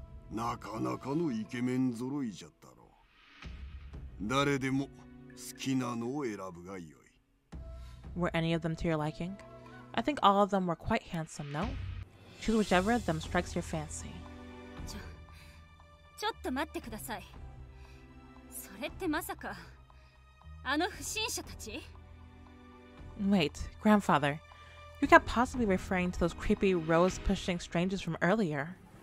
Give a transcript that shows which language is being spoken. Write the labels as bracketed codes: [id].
[ja] なかなかのイケメン揃いじゃったろ。誰でも好きなのを選ぶがよい。 [en] Were any of them to your liking? I think all of them were quite handsome, no? Choose whichever of them strikes your fancy. [ja] ちょっと待ってください。それってまさかあの不審者たち? [en] Wait, Grandfather. You can't possibly be referring to those creepy rose-pushing strangers from earlier.